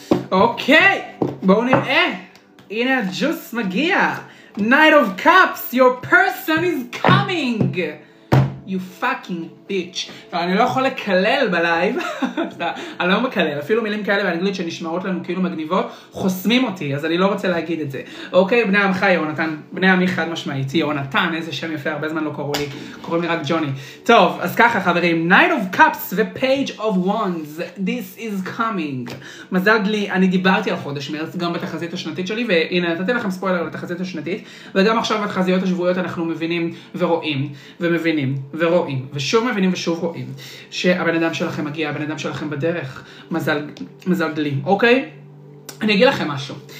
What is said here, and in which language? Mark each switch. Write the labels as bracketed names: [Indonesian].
[Hebrew] אוקיי, בואו נראה, הנה הג'וס מגיע. [English] Night of Cups, your person is coming. You fucking bitch. [Hebrew] אני לא יכול לקלל בלייב, אני לא מקלל, אפילו מילים כאלה באנגלית שנשמעות לנו כאילו מגניבות, חוסמים אותי, אז אני לא רוצה להגיד את זה. אוקיי, בני עמך יונתן, בני עמי חד משמעית, יונתן, איזה שם יפה, הרבה זמן לא קוראו לי, קוראים לי רק ג'וני. טוב, אז ככה חברים, Night of Cups ו-Page of Wands, [English] this is coming. [Hebrew] מזל דלי, אני דיברתי על חודש מרץ, גם בתחזית השנתית שלי, והנה, נתתי לכם ספוילר לתחזית השנתית, וגם עכשיו בתחזיות השבועיות אנחנו מבינים ורואים, ומבינים ורואים, ושוב מבינים ושוב רואים, שהבן אדם שלכם מגיע, הבן אדם שלכם בדרך, מזל דלי, אוקיי? אני אגיד לכם משהו.